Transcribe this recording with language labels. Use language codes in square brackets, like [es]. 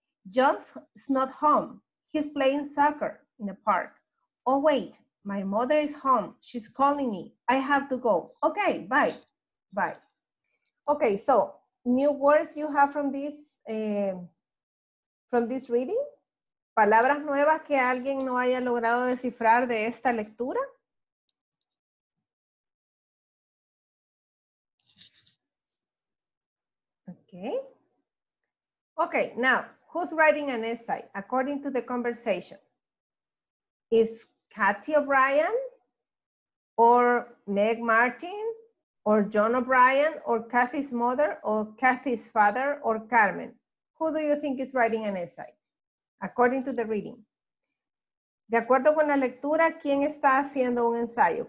[en] John's not home. He's playing soccer in the park. Oh, wait, my mother is home. She's calling me. I have to go. Okay, bye. Bye. Okay, so new words you have from this reading. [es] Palabras nuevas que alguien no haya logrado descifrar de esta lectura. Okay. [en] Okay, now, who's writing an essay according to the conversation? Is Kathy O'Brien or Meg Martin? Or John O'Brien, or Kathy's mother, or Kathy's father, or Carmen. Who do you think is writing an essay? According to the reading. [es] De acuerdo con la lectura, ¿quién está haciendo un ensayo?